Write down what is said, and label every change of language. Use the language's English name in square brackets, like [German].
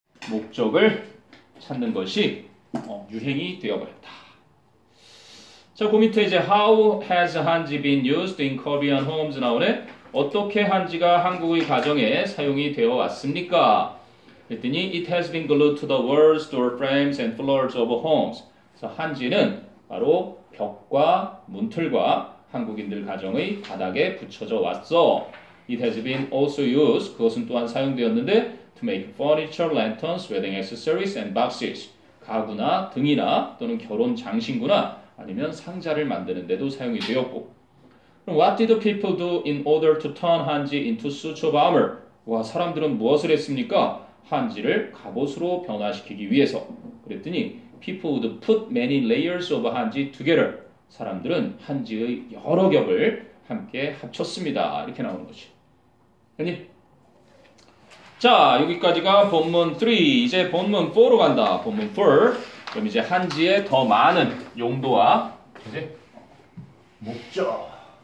[Korean] 목적을 찾는 것이 유행이 되어버렸다. 자, 그 밑에 이제 [English] How has 한지 been used in Korean homes [Korean] 나오네. 어떻게 한지가 한국의 가정에 사용이 되어 왔습니까? 그랬더니 [English] It has been glued to the walls, door frames, and floors of homes. [Korean] 그래서 한지는 바로 벽과 문틀과 한국인들 가정의 바닥에 붙여져 왔어. [English] It has been also used, [Korean] 그것은 또한 사용되었는데, [English] to make furniture, lanterns, wedding accessories, and boxes. [Korean] 가구나 등이나 또는 결혼 장신구나 아니면 상자를 만드는 데도 사용이 되었고. [English] What did the people do in order to turn 한지 into Soochow armor? [Korean] 와, 사람들은 무엇을 했습니까? 한지를 갑옷으로 변화시키기 위해서. 그랬더니, [English] People would put many layers of 한지 together. [Korean] 사람들은 한지의 여러 겹을 함께 합쳤습니다. 이렇게 나오는 거지. 아니. 자, 여기까지가 본문 3. 이제 본문 4로 간다. 본문 4. 그럼 이제 한지의 더 많은 용도와 이제 목적.